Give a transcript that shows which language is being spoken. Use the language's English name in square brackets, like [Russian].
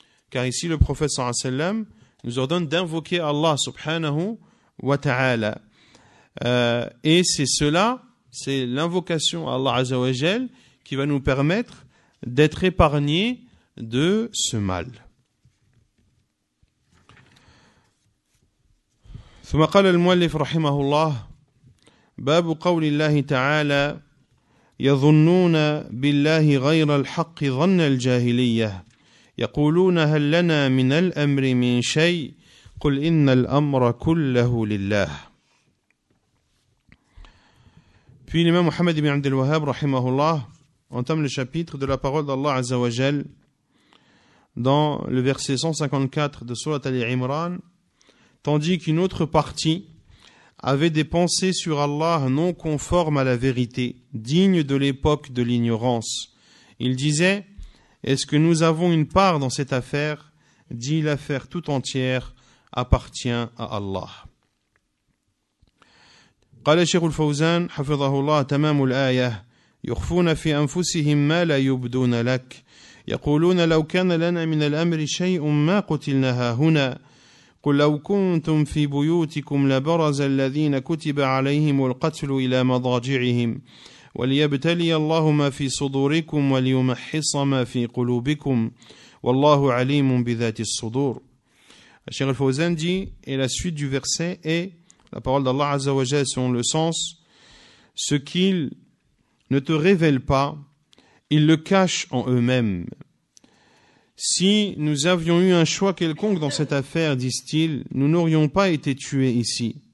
[French] Car ici, le prophète sallallahu alayhi wa sallam nous ordonne d'invoquer Allah subhanahu wa ta'ala. Et c'est cela, c'est l'invocation à Allah azza wa jal qui va nous permettre d'être épargnés de ce mal. [Arabic] ثم قال المؤلف رحمه الله باب قول الله تعالى يظنون بالله غير الحق ظن الجاهلية يقولون هل لنا من الأمر من شيء قل إن الأمر كله لله. [French] Puis l'imam Mohammed ibn Abd al-Wahhab رحمه الله entame le chapitre de la parole d'Allah عز وجل dans le verset 154 de sourate Ali Imran. Tandis qu'une autre partie avaient des pensées sur Allah non conformes à la vérité, dignes de l'époque de l'ignorance. Ils disaient, est-ce que nous avons une part dans cette affaire? Dit l'affaire tout entière appartient à Allah. [Arabic] قال الشيخ الفوزان حفظه الله تمام الآية يخفون في أنفسهم ما لا يبدون لك يقولون لو كان لنا من الأمر شيء ما قتلناها هنا قل لو كنتم في بيوتكم لبرز الذين كتب عليهم القتل إلى مضاجعهم وليبتلي الله ما في صدوركم وليمحص ما في قلوبكم والله عليم بذات الصدور. [French] الشيخ الفوزان دي et la suite du verset est la parole d'Allah Azzawajal selon le sens, ce qu'ils ne te révèlent pas, ils le cachent en eux-mêmes. Si nous avions eu un choix quelconque dans cette affaire, disent-ils, nous n'aurions pas été tués ici.